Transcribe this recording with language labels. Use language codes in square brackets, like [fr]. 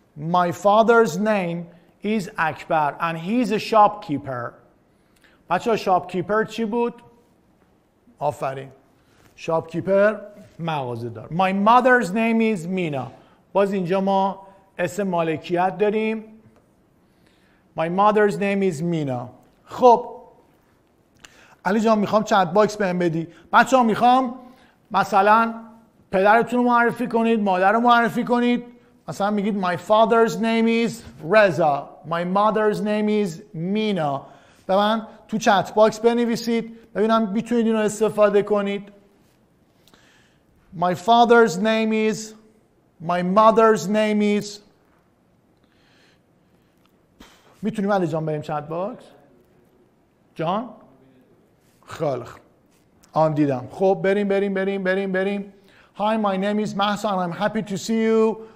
[en] My father's name is Akbar and he's a shopkeeper. [fa] بچه ها shopkeeper چی بود؟ آفرین. Shopkeeper [en] مغازه دار. My mother's name is Mina. [fa] باز اینجا ما اسم مالکیت داریم. [en] My mother's name is Mina. [fa] خب علی جان میخوام چت باکس بهم بدی. بچه ها میخوام مثلا پدرتون رو معرفی کنید، مادر رو معرفی کنید. مثلا میگید [en] My father's name is Reza. My mother's name is Mina. [fa] به من تو چت باکس بنویسید. ببینم میتونید اینو استفاده کنید. [en] My father's name is, my mother's name is. [fa] میتونیم علی جان بریم چت باکس؟ جان؟ خالق. آن دیدم. خب بریم. [en] Hi, my name is Mahsa and I'm happy to see you.